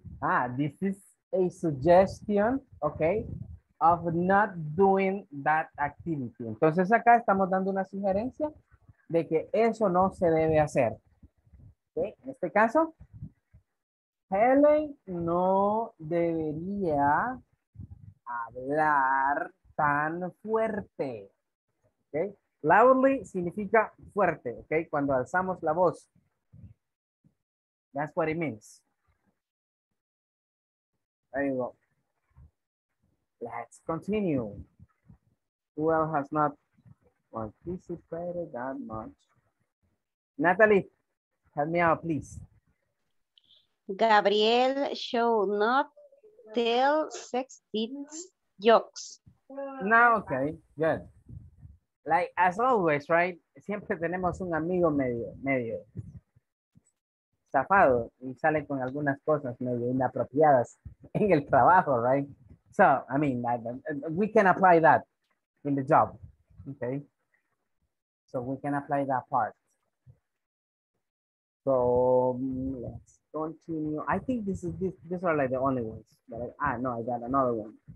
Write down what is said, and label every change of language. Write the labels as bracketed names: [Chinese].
[English] Ah, this is a suggestion, okay, of not doing that activity. [Spanish] Entonces acá estamos dando una sugerencia de que eso no se debe hacer. Okay. En este caso, Helen no debería hablar tan fuerte. Okay. Loudly significa fuerte, okay, cuando alzamos la voz. [English] That's what it means. There you go. Let's continue. Who else has not participated that much? Natalie, help me out, please. Gabriel should not tell sexist jokes. No, okay, good. Like, as always, right? [Spanish] Siempre tenemos un amigo medio zafado y sale con algunas cosas medio inapropiadas en el trabajo, right? [English] So, I mean, we can apply that in the job, okay? So we can apply that part. So, let's continue. I think these are like the only ones. But I got another one.